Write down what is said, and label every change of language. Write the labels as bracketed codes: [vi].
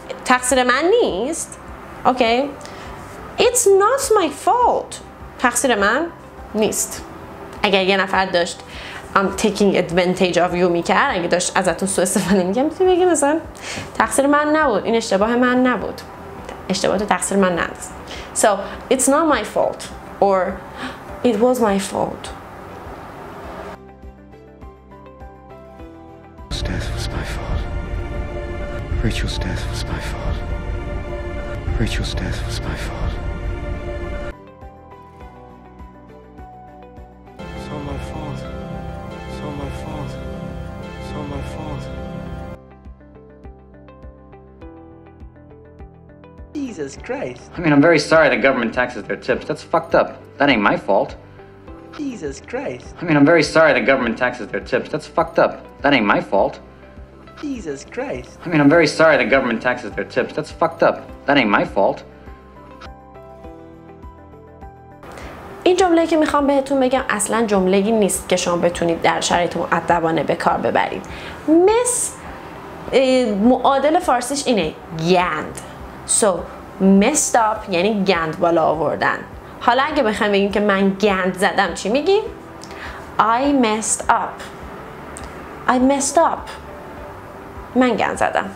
[fa] تقصیر من نیست. [en] Okay. It's not my fault. [fa] تقصیر من نیست. اگر یه نفر داشت [en] taking advantage of you [fa] میکرد، اگه داشت ازتون سوء استفاده میکرد، میتونی بگی مثلا تقصیر من نبود، این اشتباه من نبود. اشتباه تو تقصیر من نبود. [en] So, it's not my fault or it was my fault. Rachel's death was my fault. Rachel's death was my fault. Rachel's death was my fault. Jesus Christ. I mean, I'm very sorry the government taxes their tips. That's fucked up. That ain't my fault. Jesus Christ. I mean, I'm very sorry the government taxes their tips. That's fucked up. That ain't my fault. Jesus Christ. I mean, I'm very sorry the government taxes their tips. That's fucked up. That ain't my fault. [fa] این جمله‌ای که میخوام بهتون بگم اصلاً جمله‌ای نیست که شما بتونید در شرایط مؤدبانه به کار ببرید. مس معادل فارسیش اینه گند. [en] So messed up [fa] یعنی گند بالا آوردن. حالا اگه بخوام بگیم که من گند زدم چی میگیم؟ [en] I messed up. [fa] من گند زدم.